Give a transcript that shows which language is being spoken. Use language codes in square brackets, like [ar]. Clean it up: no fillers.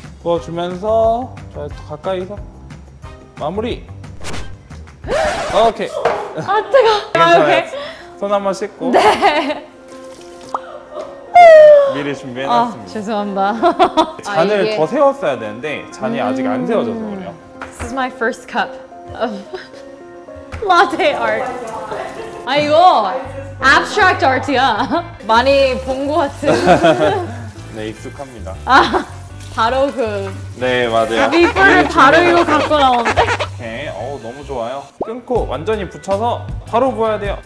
[ko] 부어주면서 자, 가까이서 마무리. 오케이. 아, 뜨거워. 괜찮아요. 손 한번 씻고. 네. 미리 준비해놨습니다. 아, 죄송합니다. 잔을 아, 이게... 더 세웠어야 되는데 잔이 아직 안 세워져서 그래요. [en] This is my first cup of latte art. [ko] 아, 이거 abstract art이야. 많이 본 것 같은. 네, 익숙합니다. 아, 바로 그. 네, 맞아요. 리플을 바로 이거 갖고 나오는데. 오케이, 어우 너무 좋아요. 끊고 완전히 붙여서 바로 부어야 돼요.